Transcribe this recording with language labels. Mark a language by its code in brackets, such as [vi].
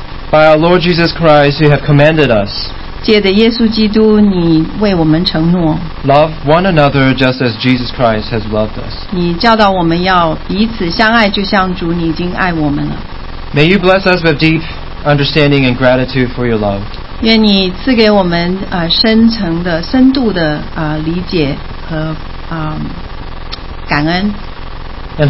[en] By our Lord Jesus Christ, you have commanded us. [zh] 借着耶稣基督，你为我们承诺。 [en] Love one another just as Jesus Christ has loved us. [zh] 你教导我们要彼此相爱，就像主你已经爱我们了。May [en] you bless us with deep understanding and gratitude for your love. [zh] 愿你赐给我们深层的、深度的理解和感恩。And